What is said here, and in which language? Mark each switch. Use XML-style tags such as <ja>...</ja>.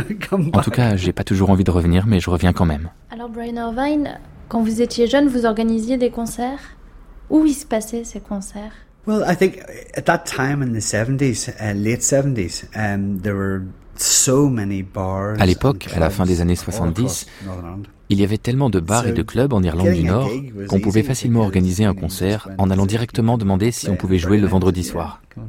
<fr>En tout cas, j'ai pas toujours envie de revenir, mais je reviens quand même. Alors, Brian Irvine, quand vous étiez jeune, vous organisiez des concerts. Où y se passaient ces concerts?</fr> <en>Well, I think at that time in the 70s, late 70s, there were.</en> <fr>À l'époque, à la fin des années 70, il y avait tellement de bars et de clubs en Irlande du Nord qu'on pouvait facilement organiser un concert en allant directement demander si on pouvait jouer le vendredi soir.</fr>